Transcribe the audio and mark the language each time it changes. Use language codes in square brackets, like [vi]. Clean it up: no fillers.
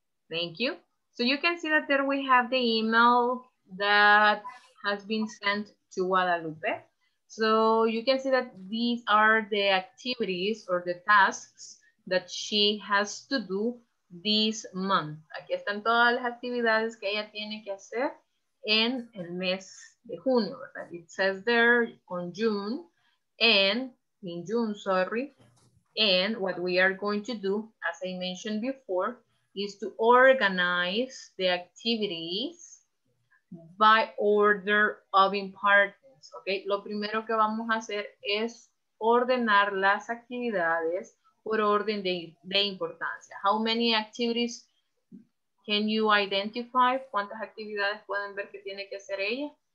[en] Thank you. So you can see that there we have the email that has been sent to Guadalupe. So you can see that these are the activities or the tasks that she has to do this month. [es] Aquí están todas las actividades que ella tiene que hacer en el mes de junio, ¿verdad? [en] It says there on June, and in June, sorry. And what we are going to do, as I mentioned before, is to organize the activities by order of importance, okay? [es] Lo primero que vamos a hacer es ordenar las actividades por orden de importancia. [en] How many activities can you identify? [es] ¿Cuántas actividades pueden ver que tiene que hacer ella?